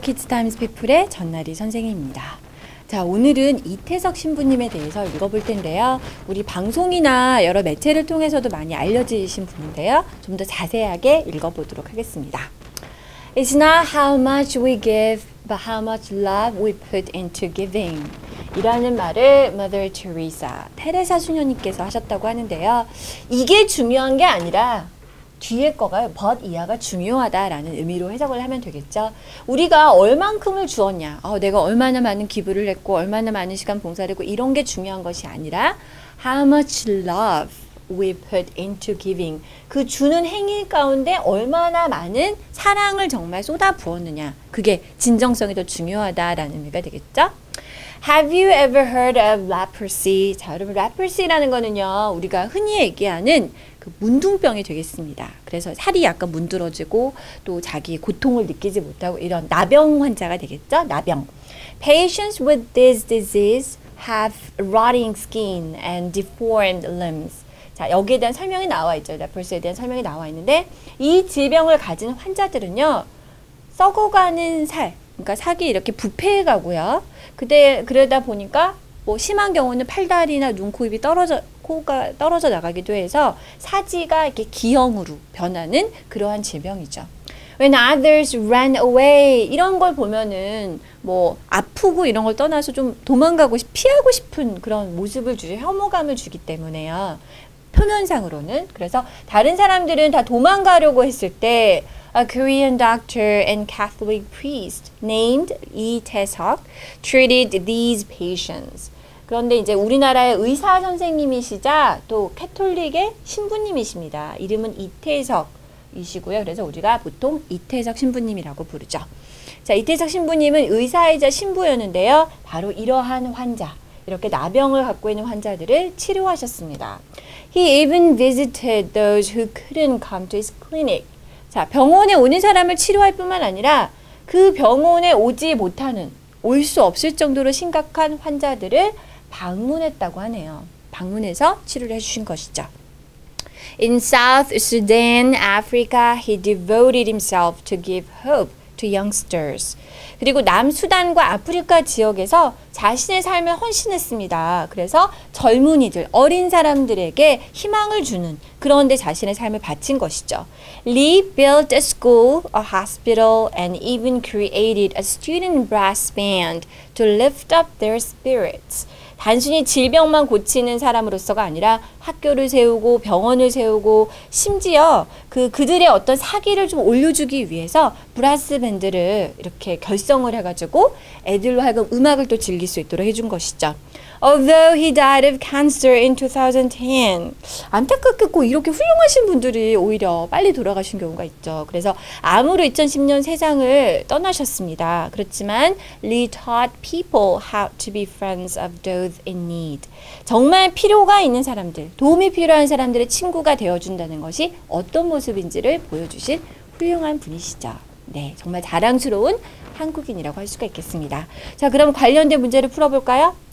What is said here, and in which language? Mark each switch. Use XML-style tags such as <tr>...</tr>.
<ko>키즈타임스 피플의 전나리 선생님입니다. 자, 오늘은 이태석 신부님에 대해서 읽어볼 텐데요. 우리 방송이나 여러 매체를 통해서도 많이 알려지신 분인데요. 좀 더 자세하게 읽어보도록 하겠습니다.</ko> <en>It's not how much we give, but how much love we put into giving.</en> <ko>이라는 말을 Mother Teresa, 테레사 수녀님께서 하셨다고 하는데요. 이게 중요한 게 아니라 뒤에 거가 but 이하가 중요하다라는 의미로 해석을 하면 되겠죠. 우리가 얼만큼을 주었냐, 내가 얼마나 많은 기부를 했고 얼마나 많은 시간 봉사를 했고 이런 게 중요한 것이 아니라</ko> <en>how much love we put into giving,</en> <ko>그 주는 행위 가운데 얼마나 많은 사랑을 정말 쏟아부었느냐, 그게 진정성이 더 중요하다라는 의미가 되겠죠.</ko> <en>Have you ever heard of leprosy?</en> <ko>자, 여러분, leprosy라는 거는요, 우리가 흔히 얘기하는 문둥병이 되겠습니다. 그래서 살이 약간 문드러지고 또 자기 고통을 느끼지 못하고 이런 나병 환자가 되겠죠? 나병.</ko> <en>Patients with this disease have rotting skin and deformed limbs.</en> <ko>자, 여기에 대한 설명이 나와 있죠. 레프스에 대한 설명이 나와 있는데 이 질병을 가진 환자들은요. 썩어가는 살, 그러니까 살이 이렇게 부패해 가고요. 그러다 보니까 뭐 심한 경우는 팔다리나 눈, 코, 입이 떨어져 코가 떨어져 나가기도 해서 사지가 이렇게 기형으로 변하는 그러한 질병이죠.</ko> <en>When others ran away,</en> <ko>이런 걸 보면은 뭐 아프고 이런 걸 떠나서 좀 도망가고 피하고 싶은 그런 모습을 주죠. 혐오감을 주기 때문에요. 표면상으로는. 그래서 다른 사람들은 다 도망가려고 했을 때</ko> <en>A Korean doctor and Catholic priest named Lee Tae-seok treated these patients.</en> <ko>그런데 이제 우리나라의 의사 선생님이시자 또 캐톨릭의 신부님이십니다. 이름은 이태석이시고요. 그래서 우리가 보통 이태석 신부님이라고 부르죠. 자, 이태석 신부님은 의사이자 신부였는데요. 바로 이러한 환자, 이렇게 나병을 갖고 있는 환자들을 치료하셨습니다.</ko> <en>He even visited those who couldn't come to his clinic.</en> <ko>자, 병원에 오는 사람을 치료할 뿐만 아니라 그 병원에 오지 못하는, 올 수 없을 정도로 심각한 환자들을 방문했다고 하네요. 방문해서 치료를 해주신 것이죠.</ko> <en>In South Sudan, Africa, he devoted himself to give hope to youngsters.</en> <ko>그리고 남수단과 아프리카 지역에서 자신의 삶을 헌신했습니다. 그래서 젊은이들, 어린 사람들에게 희망을 주는 그런 데 자신의 삶을 바친 것이죠.</ko> <en>Lee built a school, a hospital, and even created a student brass band to lift up their spirits.</en> <ko>단순히 질병만 고치는 사람으로서가 아니라 학교를 세우고 병원을 세우고 심지어 그들의 어떤 사기를 좀 올려주기 위해서 브라스밴드를 이렇게 결성을 해가지고 애들로 하여금 음악을 또 즐길 수 있도록 해준 것이죠.</ko> <en>Although he died of cancer in 2010.</en> <ko>안타깝고 이렇게 훌륭하신 분들이 오히려 빨리 돌아가신 경우가 있죠. 그래서 암으로 2010년 세상을 떠나셨습니다. 그렇지만</ko> <en>Lee taught people how to be friends of those in need.</en> <ko>정말 필요가 있는 사람들, 도움이 필요한 사람들의 친구가 되어준다는 것이 어떤 모습인지를 보여주신 훌륭한 분이시죠. 네, 정말 자랑스러운 한국인이라고 할 수가 있겠습니다. 자, 그럼 관련된 문제를 풀어볼까요?</ko>